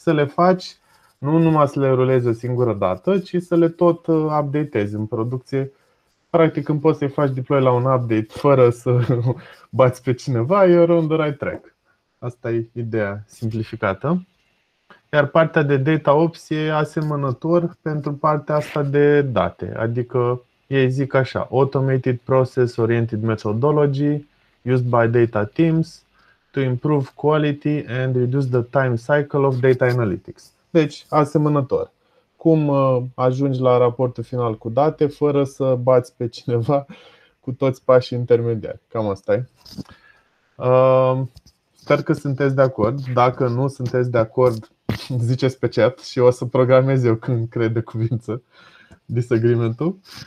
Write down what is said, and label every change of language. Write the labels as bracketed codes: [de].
[ro] Să le faci, nu numai să le rulezi o singură dată, ci să le tot updatezi în producție. Practic, când poți să-i faci deploy la un update fără să bați pe cineva, [en] you're on the right track. [ro] Asta e ideea simplificată. Iar partea de DataOps e asemănător pentru partea asta de date. Adică ei zic așa, [en] automated process oriented methodology used by data teams to improve quality and reduce the time cycle of data analytics. [ro] Deci, asemănător. Cum ajungi la raportul final cu date fără să bați pe cineva cu toți pașii intermediari. Cam asta e. Sper că sunteți de acord. Dacă nu sunteți de acord, ziceți pe chat și o să programez eu când cred de cuvință disagreement-ul.